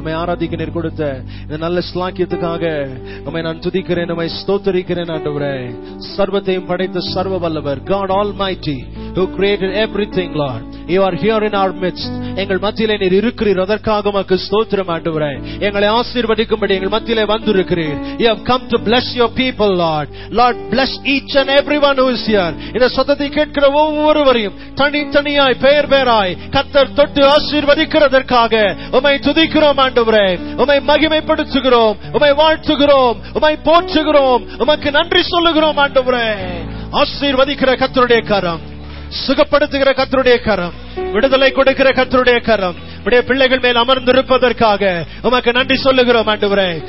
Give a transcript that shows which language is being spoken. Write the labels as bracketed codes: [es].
[ta] உம்மை ஆராதிக்க நீர் கொடுத்த இந்த நல்ல ஸ்லாக்கியத்துக்காக உம்மை நான் துதிக்கிறேன், உம்மை ஸ்தோத்தரிக்கிறேன் ஆண்டவரே. சர்வத்தையும் படைத்த சர்வ வல்லவர், [en] God almighty, who created everything Lord, you are here in our midst, [ta] எங்கள் மத்தியிலே நீர் இருக்கிறீர், அதற்காக உமக்கு ஸ்தோத்திரம் ஆண்டவரே. எங்களை ஆசீர்வதிக்கும்படி எங்கள் மத்தியிலே வந்திருக்கிறீர். [en] You have come to bless your people, Lord. Lord, bless each and everyone who is here. [ta] இந்த சத்தத்தை கேட்கிற ஒவ்வொருவரையும் தனித்தனியாய் பெயர் பெயராய் கர்த்தர் தொட்டு ஆசீர்வதிக்கிறதற்காக உமை துதிக்கிறோம் ஆண்டவரே. உமை மகிமைப்படுத்துகிறோம், உமை வாழ்த்துகிறோம், உமை போற்றுகிறோம், உமக்கு நன்றி சொல்லுகிறோம் ஆண்டவரே. ஆசீர்வதிக்கிற கர்த்தருடைய கரம், சுகப்படுத்துகிற கர்த்தருடைய கரம், விடுதலை கொடுக்கிற கர்த்தருடைய கரம், உடைய பிள்ளைகள் மேல் அமர்ந்திருப்பதற்காக உமக்கு நன்றி சொல்லுகிறோம் ஆண்டவரே.